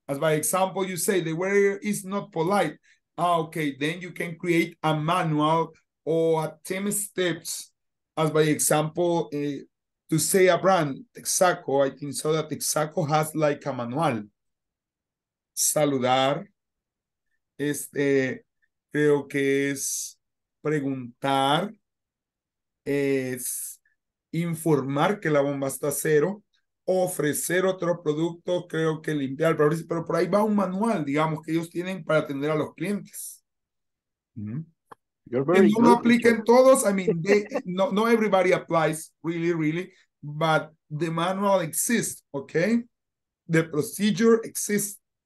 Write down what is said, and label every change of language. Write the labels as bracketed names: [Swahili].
[English] As by example, you say the warrior is not polite. Ah, okay, then you can create a manual or a 10 steps. As by example, to say a brand, Texaco, I think so that Texaco has like a manual. [Spanish] Saludar. Creo que es preguntar, es informar que la bomba está cero, ofrecer otro producto, creo que limpiar el parabrisas, pero por ahí va un manual, digamos, que ellos tienen para atender a los clientes. Mm-hmm. Y no apliquen todos, [English] I mean, no everybody applies, really, really, but the manual exists, okay? The procedure exists.